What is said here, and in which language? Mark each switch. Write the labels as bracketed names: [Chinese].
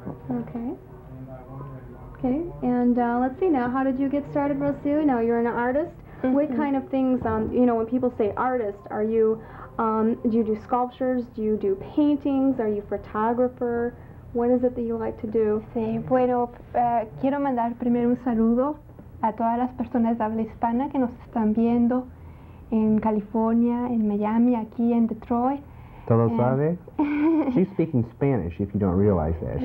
[English] Okay. Okay, and let's see now, how did you get started, Rocio? Now you're an artist. Mm-hmm. What kind of things, you know, when people say artist, are you, do you do sculptures? Do you do paintings? Are you a photographer? What is it that you like to do? [Spanish] Sí, bueno, quiero mandar primero un saludo a todas las personas de habla hispana que nos están viendo en California, en Miami, aquí en Detroit. ¿Todo sabe? [English] She's speaking Spanish, if you don't realize that.